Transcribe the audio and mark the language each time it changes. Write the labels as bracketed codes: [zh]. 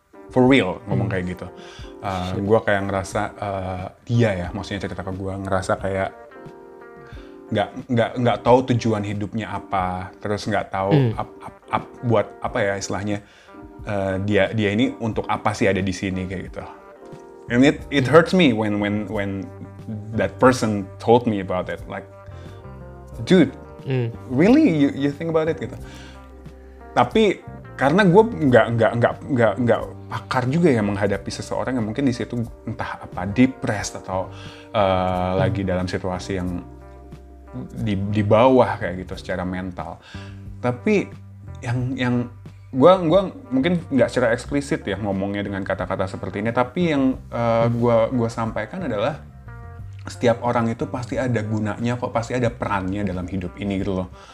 [en] For real, [id] ngomong kayak gitu. Gue kayak ngerasa, dia ya, maksudnya cerita ke gue, ngerasa kayak nggak tahu tujuan hidupnya apa, terus nggak tahu buat apa ya istilahnya, dia ini untuk apa sih ada di sini kayak gitu. [en] And it hurts me when that person told me about it. Like, dude, really you think about it gitu. [id] Tapi karena gue nggak pakar juga ya menghadapi seseorang yang mungkin di situ entah apa depressed atau lagi dalam situasi yang di bawah kayak gitu secara mental. Tapi yang gue mungkin nggak secara eksplisit ya ngomongnya dengan kata-kata seperti ini, tapi yang gue sampaikan adalah setiap orang itu pasti ada gunanya kok, pasti ada perannya dalam hidup ini gitu loh.